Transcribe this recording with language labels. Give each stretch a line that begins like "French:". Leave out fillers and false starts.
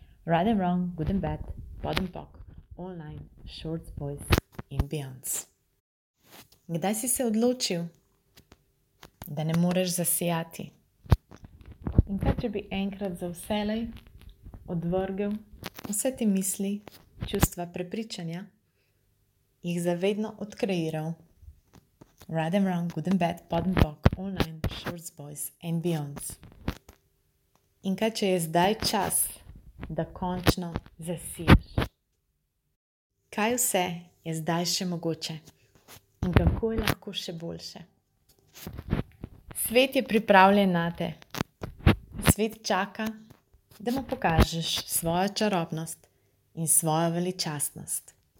English: Right and wrong, good and bad, pod and pok, online, shorts, boys in beyonds.
Slovenian: Kdaj si se odločil, da ne moreš zasijati? In kaj, če bi enkrat za vselej odvrgel vse te misli, čustva, prepričanja, jih zavedno odkreiral?
English: Right and wrong, good and bad, pod and pok, online, shorts, boys and beyonds.
Slovenian: In kaj, če je zdaj čas, da končno zasiješ? Kaj vse je zdaj še mogoče? In kako je lahko še boljše? Svet je pripravljen na te. Svet čaka, da mu pokažeš svojo čarobnost in svojo veličastnost.